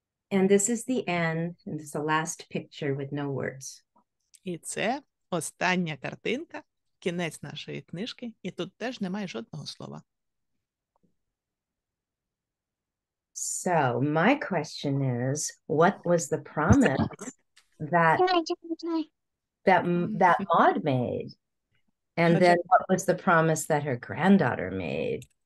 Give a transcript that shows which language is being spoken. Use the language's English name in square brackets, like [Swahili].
[English] And this is the end, and this is the last picture with no words. [Ukrainian] І це остання картинка, кінець нашої книжки, і тут теж немає жодного слова. [English] So, my question is, what was the promise that Maud made? And then what was the promise that her granddaughter made?